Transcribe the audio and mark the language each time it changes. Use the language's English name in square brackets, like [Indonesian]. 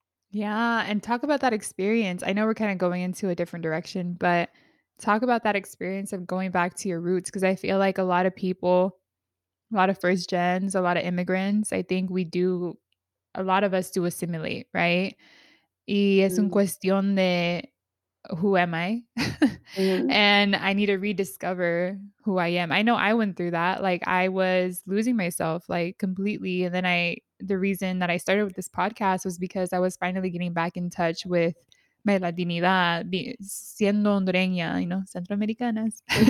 [English] Yeah. And talk about that experience. I know we're kind of going into a different direction, but talk about that experience of going back to your roots. Cause I feel like a lot of people, a lot of first gens, a lot of immigrants, I think we do, a lot of us do assimilate, right? [Spanish] Y es un cuestión de [English] who am I? And I need to rediscover who I am. I know I went through that. Like I was losing myself like completely. And then the reason that I started with this podcast was because I was finally getting back in touch with my Latinidad, [Spanish] siendo hondureña, [English] you know, centroamericanas.